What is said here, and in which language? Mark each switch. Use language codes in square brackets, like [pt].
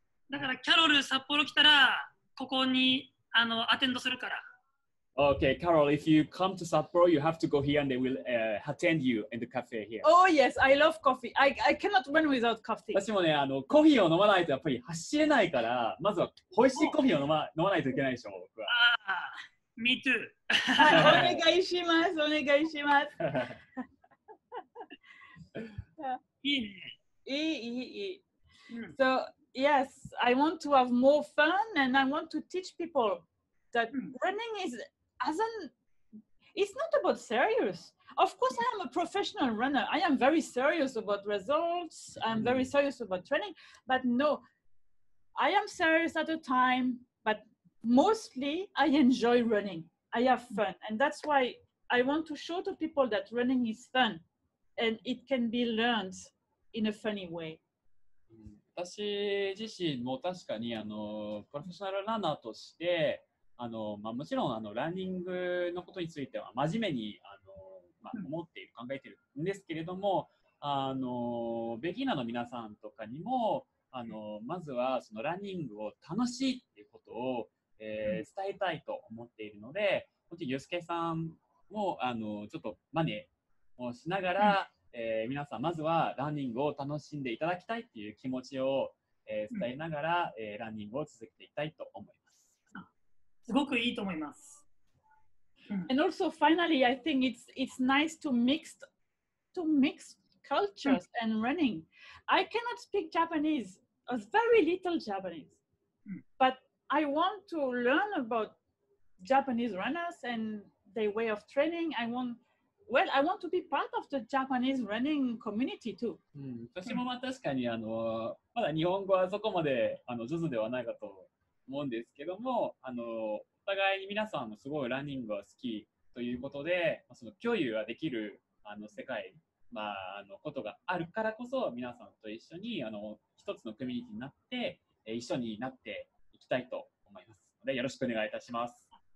[ja] だからキャロル札幌来たらここにアテンドするから。 [en] Okay, Carol, if you come to Sapporo, you have to go here and they will attend you in the cafe here. Oh yes, I love coffee. I cannot run without coffee. [ja] 私もね、コーヒーを飲まないとやっぱり走れないから、まずは美味しいコーヒーを飲まないといけないでしょ、僕は。 [en] ああ、me too. [ja] はい、お願いします、お願いします。いいね。いい、いい、いい。 [en] So, yes, I want to have more fun and I want to teach people that running is as an, it's not about serious. Of course, I am a professional runner. I am very serious about results. I'm very serious about training. But no, I am serious at a time, but mostly I enjoy running. I have fun. And that's why I want to show to people that running is fun and it can be learned in a funny way. [ja] 私自身も確かにあのプロフェッショナルランナーとしてあの、まあ、もちろんあのランニングのことについては真面目にあの、まあ、思っている考えているんですけれどもあのベギナーの皆さんとかにもあのまずはそのランニングを楽しいっていうことを、伝えたいと思っているので本当にユースケさんもあのちょっと真似をしながら、うん皆さんまずはランニングを楽しんでいただきたいっていう気持ちを、伝えながら、うんランニングを続けていきたいと思います。すごくいいと思います。 [en] And also finally, I think it's nice to mix cultures and running. I cannot speak Japanese, it's very little Japanese, but I want to learn about Japanese runners and their way of training. Well, I want to be part of the Japanese running community too.、 [ja] うん、私もまあ確かにあのまだ日本語はそこまであの上手ではないかと思うんですけどもあのお互いに皆さんもすごいランニングが好きということでその共有ができるあの世界、まあ、あのことがあるからこそ皆さんと一緒にあの一つのコミュニティになって一緒になっていきたいと思いますのでよろしくお願いいたします。